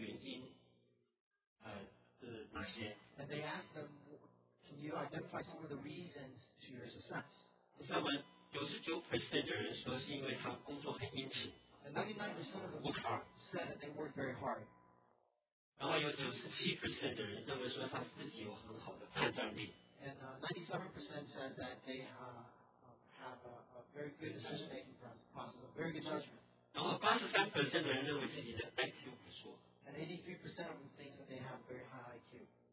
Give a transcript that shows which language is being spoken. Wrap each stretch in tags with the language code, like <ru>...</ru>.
<zh>就问他们说，你们个人觉得你成功的原因，是哪些？</zh> <en>And they asked them. Can you identify some of the reasons to your success? 99% 99% of them said that they worked very hard.</en> <zh>97% 的人认为说他自己有很好的判断力.</zh> <en>And 97% says that they have a very good decision-making process, a very good judgment.</en> <zh>83% 的人认为自己的IQ 不错.</zh> <en>And 83% of them think that they have very high IQ.</en>